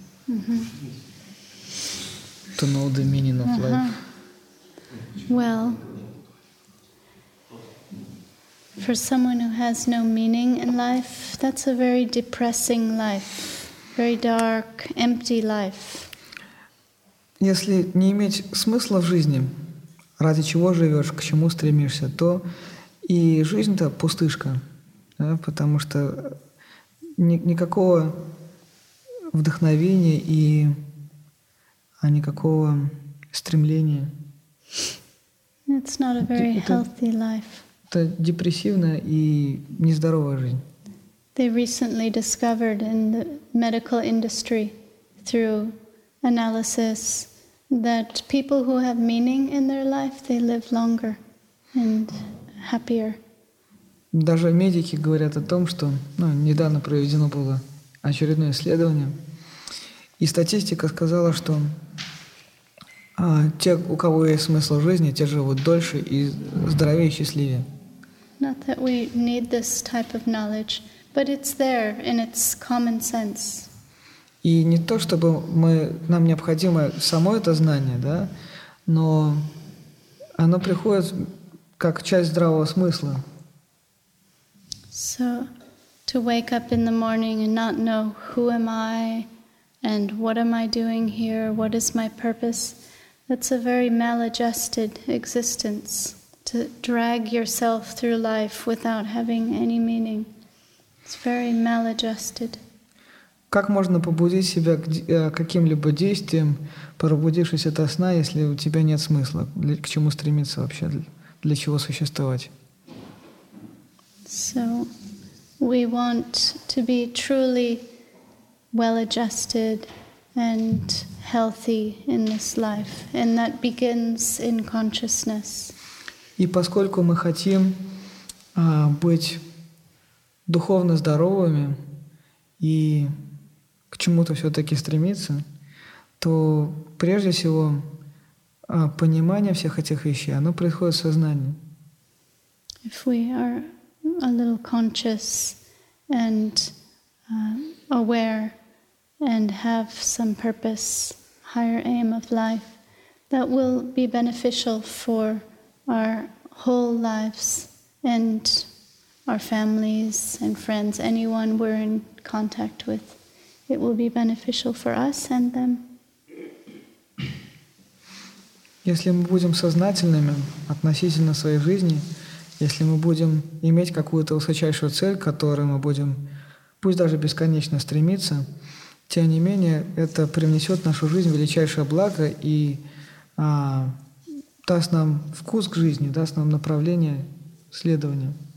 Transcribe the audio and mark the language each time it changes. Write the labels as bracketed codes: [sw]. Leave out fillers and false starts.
[en] Mm-hmm. To know the meaning of life. Well, for someone who has no meaning in life, that's a very depressing life, very dark, empty life. [ru] Если не иметь смысла в жизни, ради чего живешь, к чему стремишься, то и жизнь-то пустышка. Да, потому что никакого вдохновения и никакого стремления. [en] It's not a very healthy life. [ru] Это депрессивная и нездоровая жизнь. [en] They recently discovered in the medical industry through analysis that people who have meaning in their life, they live longer and happier. [ru] Даже медики говорят о том, что недавно проведено было очередное исследование, и статистика сказала, что те, у кого есть смысл жизни, те живут дольше и здоровее и счастливее. [en] Not that we need this type of knowledge, but it's there in its common sense. [ru] И не то, чтобы нам необходимо само это знание, да, но оно приходит как часть здравого смысла. [en] So, to wake up in the morning and not know who am I, and what am I doing here, what is my purpose, that's a very maladjusted existence, to drag yourself through life without having any meaning. It's very maladjusted. [ru] Как можно побудить себя к каким-либо действиям, пробудившись ото сна, если у тебя нет смысла, к чему стремиться вообще, для чего существовать? [en] So, we want to be truly well-adjusted and healthy in this life, and that begins in consciousness. [ru] И поскольку мы хотим быть духовно здоровыми и к чему-то все-таки стремиться, то прежде всего понимание всех этих вещей, оно происходит в сознании. [en] If we are a little conscious and aware and have some purpose, higher aim of life, that will be beneficial for our whole lives and our families and friends, anyone we're in contact with. It will be beneficial for us and them. [ru] Если мы будем сознательными относительно своей жизни, если мы будем иметь какую-то высочайшую цель, к которой мы будем, пусть даже бесконечно стремиться, тем не менее, это принесет в нашу жизнь величайшее благо и даст нам вкус к жизни, даст нам направление следования.